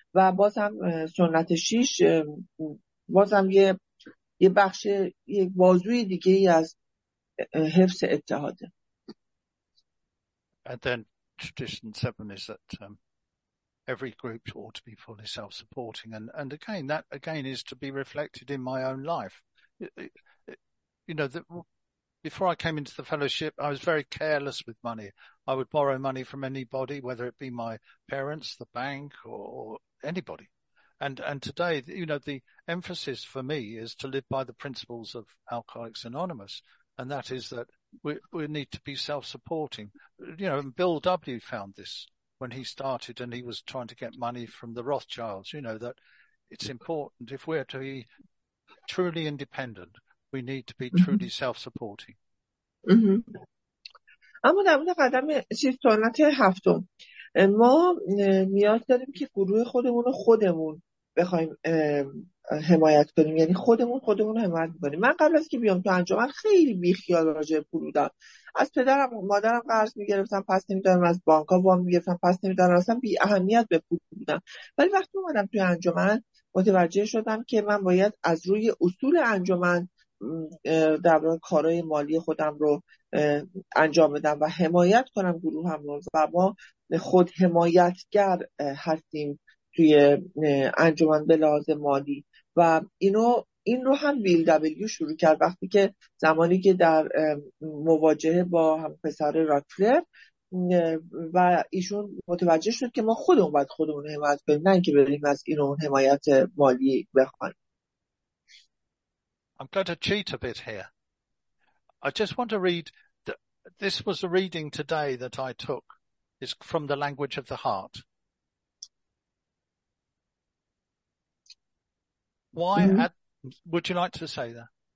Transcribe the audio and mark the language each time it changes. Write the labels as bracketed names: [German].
[Persian] و بازم سنت 6 بازم یه بخش، یک بازوی دیگه ای از حفظ اتحاده. [English] And then tradition 7 is that every group ought to be fully self-supporting. And again, that again is to be reflected in my own life. You know, before I came into the fellowship, I was very careless with money. I would borrow money from anybody, whether it be my parents, the bank, or anybody. And today, you know, the emphasis for me is to live by the principles of Alcoholics Anonymous. And that is that we need to be self-supporting. You know, and Bill W. found this when he started and he was trying to get money from the Rothschilds. You know, that it's important if we're to be truly independent, we need to be truly self-supporting. [Persian] اما در مورد قدم سنت هفتم، ما نیاز داریم که گروه خودمون رو خودمون بخوایم حمایت کنیم، یعنی خودمون رو حمایت می‌کنیم. من قبل از که بیام تو انجمن خیلی بیخیال راجع به پول بودم، از پدرم و مادرم قرض می‌گرفتم، پس نمی‌دادم، از بانک‌ها وام می‌گرفتم، پس نمی‌دادم، اصلا بی اهمیت به پول بودم. ولی وقتی اومدم تو انجمن متوجه شدم که من باید از روی اصول انجمن در واقع کارهای مالی خودم رو انجام بدم و حمایت کنم گروه هم رو، و ما خود حمایتگر هستیم توی انجمن به لحاظ مالی. و اینو این رو هم ویل دبلیو شروع کرد وقتی که زمانی که در مواجهه با هم پسر راکلر و ایشون متوجه شد که ما خودمون باید خودمون رو حمایت کنیم، نه اینکه بریم از این اون حمایت مالی بخوایم. [English] I'm going to cheat a bit here. I just want to read this was a reading today that I took. It's from the language of the heart. Why would you like to say that?